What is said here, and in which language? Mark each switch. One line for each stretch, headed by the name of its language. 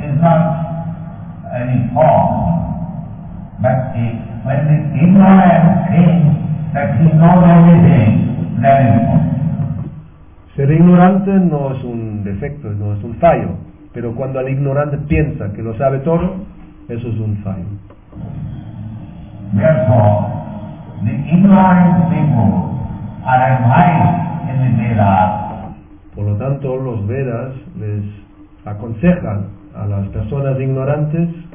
English: is not any fault, but he, when the ignorant thinks that he knows everything, that is fault.
Spanish: Ser ignorante no es un defecto, no es un fallo, pero cuando el ignorante piensa que lo sabe todo, eso es un fallo.
English: Therefore, the ignorant people are advised in the Vedas.
Spanish: Por lo tanto, los Vedas les aconsejan a las personas ignorantes.